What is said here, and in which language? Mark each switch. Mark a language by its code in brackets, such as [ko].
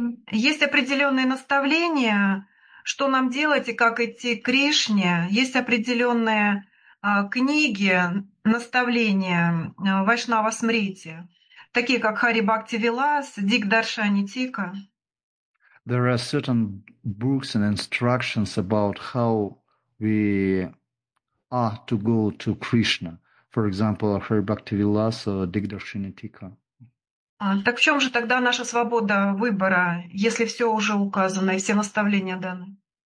[ru] Есть определенные наставления, что нам делать и как идти к Кришне. Есть определенные книги, наставления Вайшнава Смрити, такие как Хари Бхакти Вилас, Дик Даршани Тика. [en] There are certain books and instructions about how we are to go to Krishna. For example, Hari Bhakti Vilas or Digdarshini Tika. [ru] Так в чем же тогда наша свобода выбора, если все уже указано и все наставления даны?